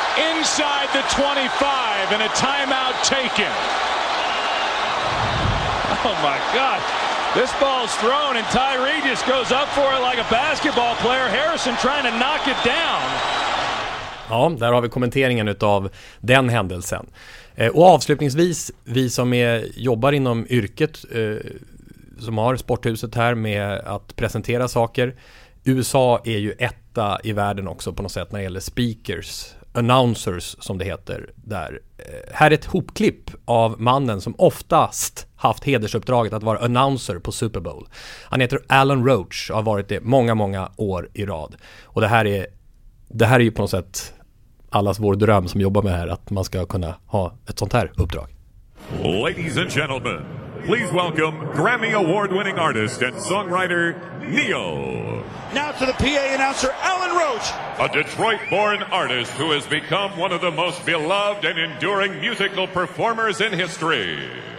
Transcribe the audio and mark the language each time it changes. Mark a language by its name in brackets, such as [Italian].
[English] Inside the 25 and a timeout taken. Oh my God. This ball's thrown and Tyree just goes up for it like a basketball player. Harrison trying to knock it down. [Swedish] Ja, där har vi kommenteringen av den händelsen. Och avslutningsvis, vi som jobbar inom yrket som har sporthuset här med att presentera saker. USA är ju etta i världen också på något sätt när det gäller speakers, announcers som det heter där. Här är ett hopklipp av mannen som oftast haft hedersuppdraget att vara announcer på Super Bowl. Han heter Alan Roach och har varit det många, många år i rad. Och det här är ju på något sätt allas vår dröm som jobbar med här, att man ska kunna ha ett sånt här uppdrag. [English] Ladies and gentlemen, please welcome Grammy award-winning artist and songwriter Neo. Now to the PA announcer Alan Roach, a Detroit-born artist who has become one of the most beloved and enduring musical performers in history.